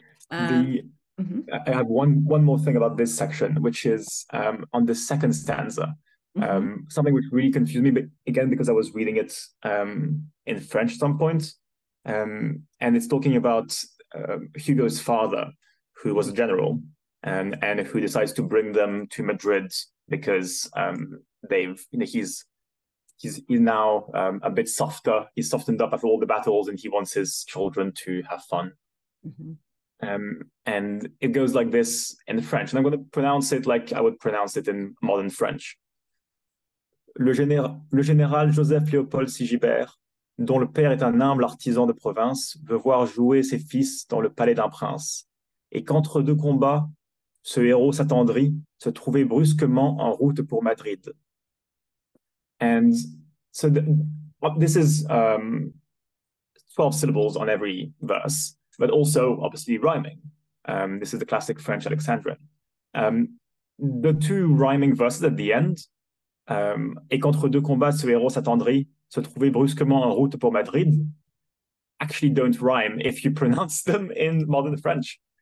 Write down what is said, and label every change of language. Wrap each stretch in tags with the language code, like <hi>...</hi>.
<en>I have one more thing about this section, which is on the second stanza, something which really confused me, but again, because I was reading it in French at some point, and it's talking about Hugo's father, who was a general, and who decides to bring them to Madrid because he's now a bit softer. He's softened up after all the battles, and he wants his children to have fun. And it goes like this in French, and I'm going to pronounce it like I would pronounce it in modern French.</en> <fr>Le général Joseph Léopold Sigibert, dont le père est un humble artisan de province, veut voir jouer ses fils dans le palais d'un prince, et qu'entre deux combats, ce héros s'attendrit, se trouvait brusquement en route pour Madrid.</fr> <en>And so this is 12 syllables on every verse, but also obviously rhyming. This is the classic French Alexandrin. The two rhyming verses at the end,</en> <fr>et qu'entre deux combats, ce héros s'attendrit, se trouvait brusquement en route pour Madrid,</fr> <en>actually don't rhyme if you pronounce them in modern French.</en>